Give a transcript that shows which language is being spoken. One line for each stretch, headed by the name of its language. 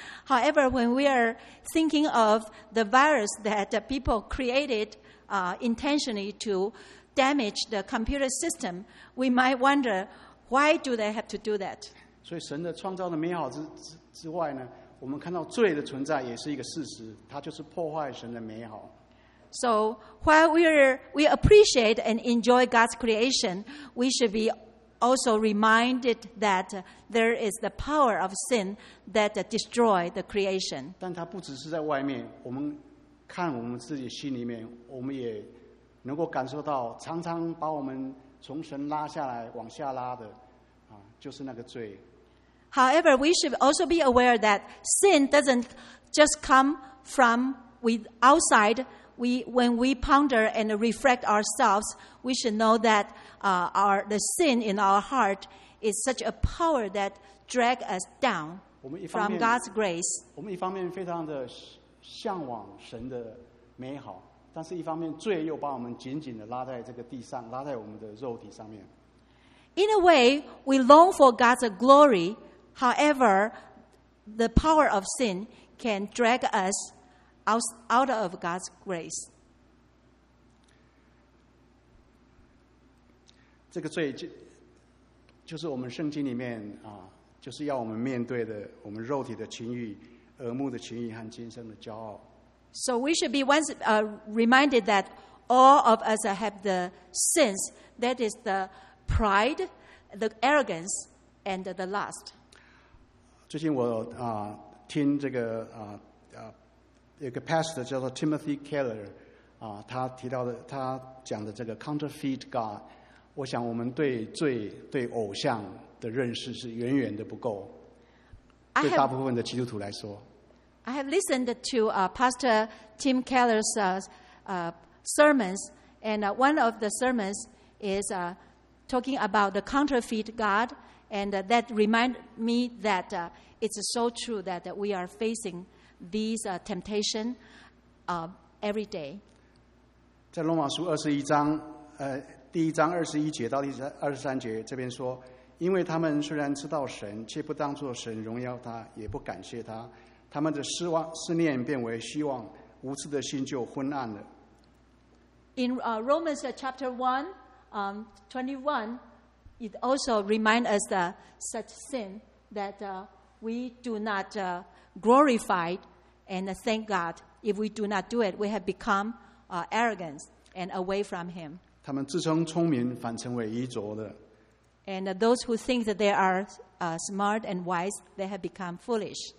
English: However, when we are thinking of the virus that people created intentionally to damage the computer system, we might wonder why do they have to do that?
Chinese: 所以神的创造的美好之外呢？我们看到罪的存在也是一个事实，它就是破坏神的美好。
English: So while we appreciate and enjoy God's creation, we should be also reminded that there is the power of sin that destroy the creation.
Chinese: 但它不只是在外面，我们看我们自己心里面，我们也能够感受到，常常把我们从神拉下来往下拉的，就是那个罪。
English: However, we should also be aware that sin doesn't just come from outside. When we ponder and reflect ourselves, we should know that the sin in our heart is such a power that drags us down from God's grace.
Chinese: 我们一方面非常的向往神的美好，但是一方面罪又把我们紧紧的拉在这个地上，拉在我们的肉体上面。
English: In a way, we long for God's glory. However, the power of sin can drag us out of God's grace.
Chinese: 这个罪就是我们圣经里面就是要我们面对的我们肉体的情欲、耳目的情欲和今生的骄傲。
English: So we should be once reminded that all of us have the sins, that is the pride, the arrogance, and the lust.
Chinese: 最近我听这个一个 pastor 叫做 Timothy Keller 他提到的他讲的这个 counterfeit God， 我想我们对罪对偶像的认识是远远的不够。对大部分的基督徒来说
English: ，I have listened to Pastor Tim Keller's sermons, and one of the sermons is talking about the counterfeit God, and that remind me that. It's so true that we are facing these temptations every day.
Chinese: 在罗马书二十一章，第一章二十一节到第二十三节，这边说，因为他们虽然知道神，却不当作神荣耀他，也不感谢他，他们的失望思念变为希望，无知的心就昏暗了。
English: In Romans chapter 1, 21, it also reminds us of such sin that. We do not glorify and thank God. If we do not do it, we have become arrogant and away from Him.
Chinese: 他们自称聪明，反成为愚拙的。
English: And those who think that they are smart and wise, they have become foolish.